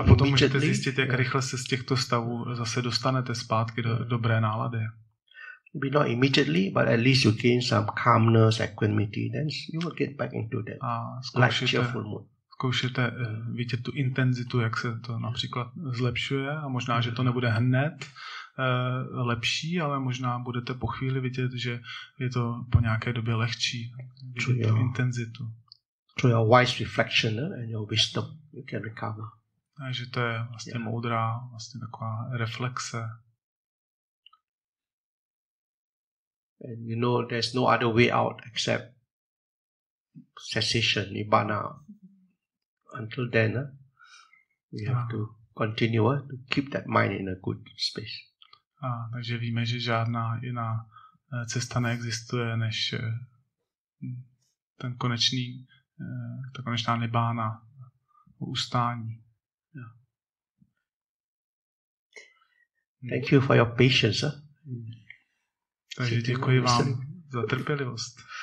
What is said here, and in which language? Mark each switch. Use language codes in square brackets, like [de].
[cs] a potom můžete zjistit, jak rychle se z těchto stavů zase dostanete zpátky do dobré nálady. [en] Maybe not immediately, but at least you gain some calmness, equanimity, then you will get back into that light, cheerful mood. [cs] Zkoušete vidět tu intenzitu, jak se to například zlepšuje a možná, že to nebude hned lepší, ale možná budete po chvíli vidět, že je to po nějaké době lehčí vidět tu intenzitu. [en] Through your wise reflection and your wisdom, you can recover. [cs] Takže to je vlastně moudrá, vlastně taková reflexe. [en] And you know there's no other way out except cessation, nibbana. Until then, we have to continue to keep that mind in a good space. [cs] Takže víme, že žádná jiná cesta neexistuje, než ten konečný, ta konečná nibbana, ustání. [en] Thank you for your patience. [cs] Takže děkuji vám za trpělivost.